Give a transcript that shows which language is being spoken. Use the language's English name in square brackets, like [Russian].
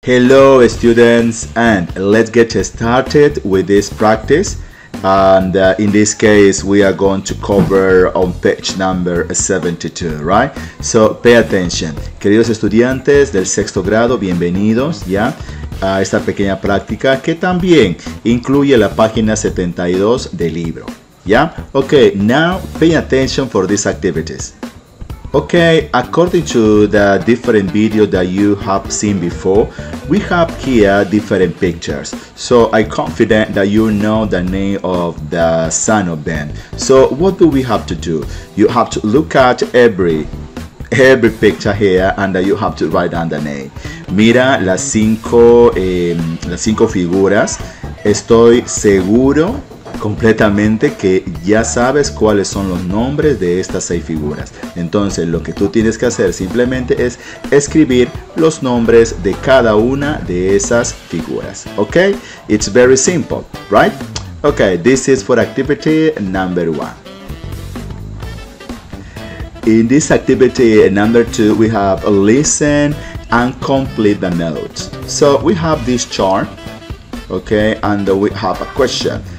[English] Hello students, and let's get started with this practice. And in this case, we are going to cover on page number 72, right? So pay attention. [Spanish] Queridos estudiantes del sexto grado, bienvenidos ya a esta pequeña práctica que también incluye la página 72 del libro, ¿ya? [English] Okay, now pay attention for these activities. Okay, according to the different video that you have seen before, we have here different pictures. So I'm confident that you know the name of the son of Ben. So what do we have to do? You have to look at every picture here, and you have to write down the name. [Spanish] Mira las cinco figuras. Estoy seguro completamente que ya sabes cuáles son los nombres de estas seis figuras. Entonces, lo que tú tienes que hacer simplemente es escribir los nombres de cada una de esas figuras. [English] Okay? It's very simple, right? Okay, this is for activity number one. In this activity number two, we have listen and complete the notes. So we have this chart, okay, and we have a question.